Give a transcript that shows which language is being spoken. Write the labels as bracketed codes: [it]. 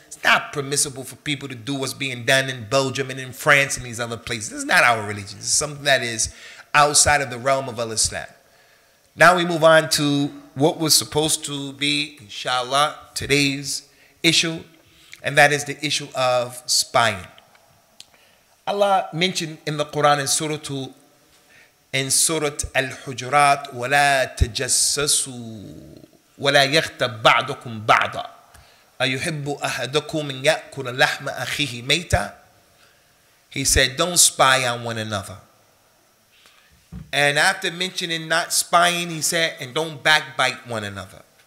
[en] It's not permissible for people to do what's being done in Belgium and in France and these other places. It's not our religion. It's something that is outside of the realm of al-Islam. Now we move on to what was supposed to be, inshallah, today's issue, and that is the issue of spying. Allah mentioned in the Quran in Surah Al-Hujurat, [ar] وَلَا تَجَسَّسُوا وَلَا يَغْتَبْ بَعْضُكُمْ بَعْضًا أَيُحِبُّ أَحَدُكُمْ مِنْ يَأْكُلَ لَحْمَ أَخِيهِ مَيْتًا. [en] He said, don't spy on one another. And after mentioning not spying, he said, and don't backbite one another.